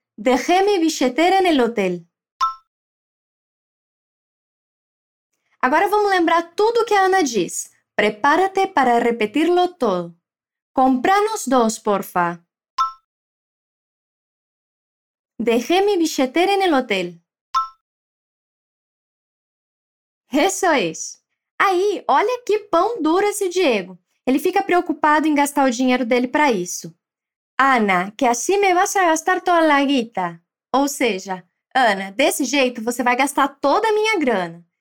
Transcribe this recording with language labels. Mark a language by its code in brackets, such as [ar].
[es] Dejé mi billetera en el hotel. [pt] Agora vamos lembrar tudo o que a Ana diz. [es] Prepárate para repetirlo todo. Compranos dos, porfa. Dejé mi billetera en el hotel. [pt] Isso é isso. Aí, olha que pão duro esse Diego. Ele fica preocupado em gastar o dinheiro dele para isso. [es] Ana, que assim me vas a gastar toda la guita. [pt] Ou seja, Ana, desse jeito você vai gastar toda a minha grana.